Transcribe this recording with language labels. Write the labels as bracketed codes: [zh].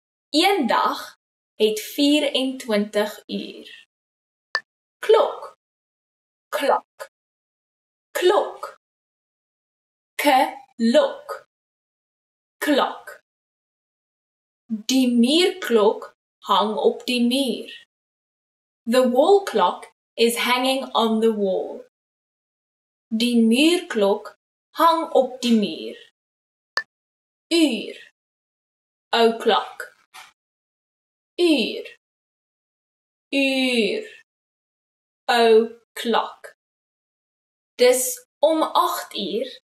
[af] Eendag het 24 uur. Klok. Klok. Klok. Klok. Klok. Die muurklok hang op die muur. [en] The wall clock is hanging on the wall. [af] Die muurklok hang op die muur. Uur. O'clock. Uur. Uur. O'clock. Dis om 8:00.